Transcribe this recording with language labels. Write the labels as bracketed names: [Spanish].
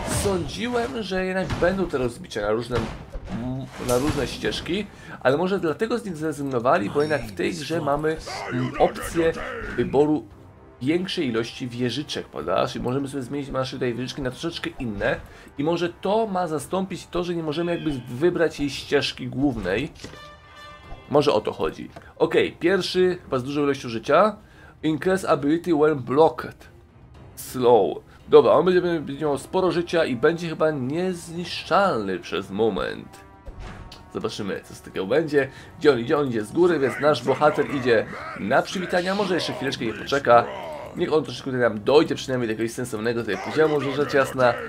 [Polish] Sądziłem, że jednak będą te rozbicia na różne ścieżki, ale może dlatego z nich zrezygnowali, bo jednak w tej grze mamy opcję wyboru większej ilości wieżyczek, prawda? Czyli możemy sobie zmienić nasze tutaj wieżyczki na troszeczkę inne i może to ma zastąpić to, że nie możemy jakby wybrać jej ścieżki głównej. Może o to chodzi. Okej, okay, pierwszy, chyba z dużą ilością życia. [English] Increase ability when blocked. Slow. [Polish] Dobra, on będzie miał sporo życia i będzie chyba niezniszczalny przez moment. Zobaczymy, co z tego będzie. Gdzie on idzie z góry, więc nasz bohater idzie na przywitania. Może jeszcze chwileczkę nie poczeka. Niech on troszeczkę tutaj nam dojdzie, przynajmniej do jakiegoś sensownego tutaj poziomu, że rzecz jasna.